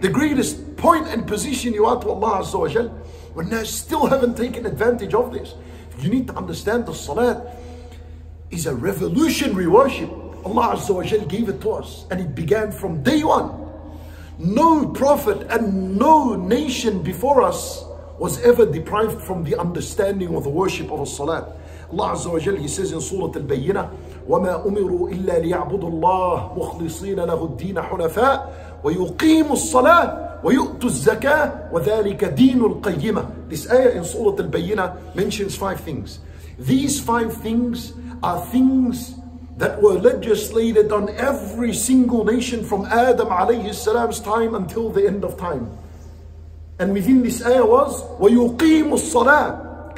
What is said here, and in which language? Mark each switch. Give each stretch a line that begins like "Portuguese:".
English: The greatest point and position you are to Allah Azza wa Jal. When they still haven't taken advantage of this, you need to understand the salat is a revolutionary worship. Allah Azza wa Jal gave it to us, and it began from day one. No prophet and no nation before us was ever deprived from the understanding or the worship of a salat.
Arabic: Allah Azza wa Jal,
English: He says in
Arabic: Surah Al-Bayyinah, وَمَا أُمِرُوا إِلَّا لِيَعْبُدُوا اللَّهِ مُخْلِصِينَ لَهُ الدِّينَ حُنَفَاءَ وَيُقِيمُوا الصَّلَاةَ وَيُؤْتُوا الزَّكَاةَ وَذَلِكَ دِينُ الْقَيِّمَةِ.
English: This ayah in Surah Al-Bayyinah mentions five things. These five things are things that were legislated on every single nation from Adam alayhi salam's time until the end of time. And within this ayah was,
Arabic: وَيُقِيمُوا الصَّلَاةَ.